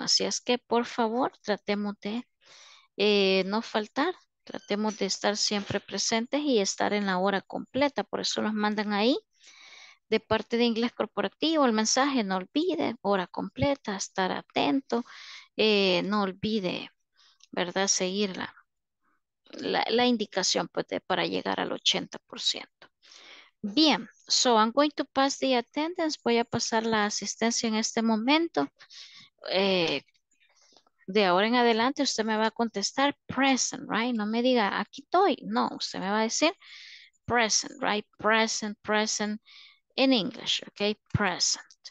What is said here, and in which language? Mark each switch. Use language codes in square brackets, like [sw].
[es] Así es que, por favor, tratemos de no faltar, tratemos de estar siempre presentes y estar en la hora completa. Por eso nos mandan ahí, de parte de Inglés Corporativo, el mensaje: no olvide, hora completa, estar atento, no olvide, ¿verdad?, seguir la indicación, pues, para llegar al 80%. [en] Bien, so I'm going to pass the attendance. [es] Voy a pasar la asistencia en este momento. De ahora en adelante, usted me va a contestar present, right? No me diga aquí estoy. No, usted me va a decir present, right? [en] Present, present in English, okay? Present.